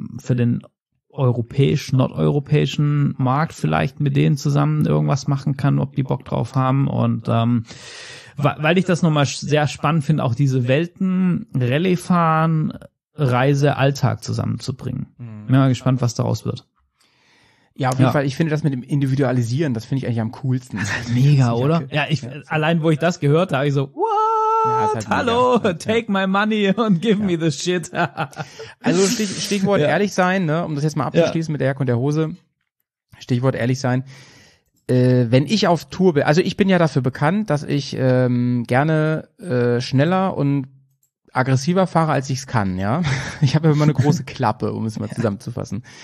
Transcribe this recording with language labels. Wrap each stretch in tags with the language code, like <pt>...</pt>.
<de>den nordeuropäischen Markt vielleicht mit denen zusammen irgendwas machen kann, ob die Bock drauf haben und weil ich das nochmal sehr spannend finde, auch diese Welten Rallye fahren, Reise, Alltag zusammenzubringen. Bin mal gespannt, was daraus wird. Ja, auf jeden Fall, ich finde das mit dem Individualisieren, das finde ich eigentlich am coolsten. Das ist halt mega, oder? Ja, allein wo ich das gehört habe, ich so, wow. Hallo,</de> <en>take my money and give me the shit.</en> <de>Also Stichwort ehrlich sein, ne, um das jetzt mal abzuschließen mit der Jacke und der Hose. Stichwort ehrlich sein. Wenn ich auf Tour bin, also ich bin ja dafür bekannt, dass ich gerne schneller und aggressiver fahre, als ich es kann. Ja, ich habe immer eine große Klappe, um es mal zusammenzufassen.</de>